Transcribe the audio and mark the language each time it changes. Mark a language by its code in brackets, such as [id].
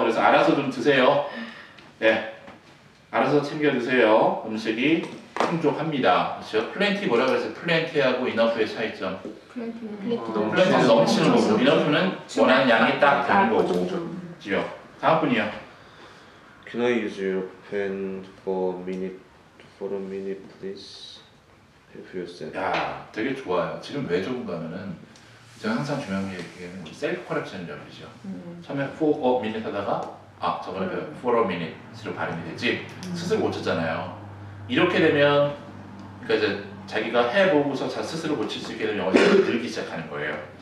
[ko] 그래서 알아서 좀 드세요. 예. 네. 알아서 챙겨 드세요. 음식이 풍족합니다. 그렇죠? 플랜티 뭐라 그랬어요? 플랜티하고 이너프의 차이점. 플랜티는 플랜티 넘치는 거고 이너프는 원하는 양이 딱 되는 거고. 지요. 다음 분이요. [en] Can I use your pen for a minute, please? Help yourself. [ko] 야, 되게 좋아요. 지금 왜 좋은가면은 제가 항상 중요한 게 얘기하는 거 셀프 커렉션이라고 그러죠. 처음에 [en] for a minute [ko] 하다가 아, 저번에 for a minute로 발음이 되지. 스스로 고쳤잖아요. 이렇게 되면 그러니까 이제 자기가 해보고서 자 스스로 고칠 수 있게 되면 어차피 늘기 시작하는 거예요.